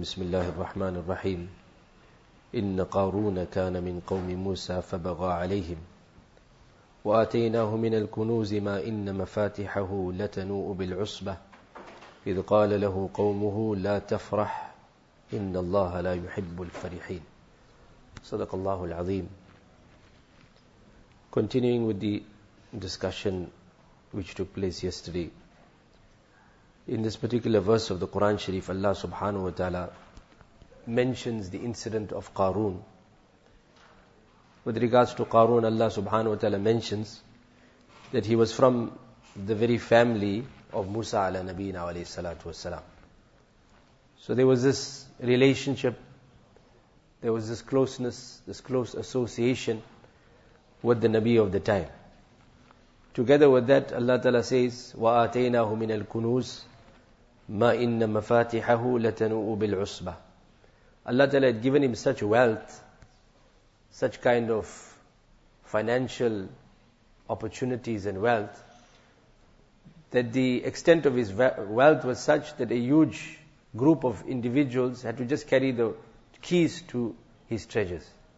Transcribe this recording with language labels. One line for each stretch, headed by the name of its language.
Arabic: بسم الله الرحمن الرحيم. إن قارون كان من قوم موسى فبغى عليهم، وآتيناه من الكنوز ما إن مفاتحه لتنوء بالعصبة إذ قال له قومه لا تفرح إن الله لا يحب الفرحين. صدق الله العظيم.
English: Continuing with the discussion which took place yesterday, in this particular verse of the Quran Sharif, Allah subhanahu wa ta'ala mentions the incident of Qarun. With regards to Qarun, Allah subhanahu wa ta'ala mentions that he was from the very family of Musa ala nabiyyina alayhi salatu wa salam. So there was this relationship, there was this closeness, this close association with the Nabi of the time. Together with that, Allah Ta'ala says,
Arabic: وَآتَيْنَاهُ مِنَ الْكُنُوزِ مَا إِنَّ مَفَاتِحَهُ لَتَنُؤُ بِالْعُصْبَةِ.
English: Allah Ta'ala had given him such wealth, such kind of financial opportunities and wealth, that the extent of his wealth was such that a huge group of individuals had to just carry the keys to his treasures.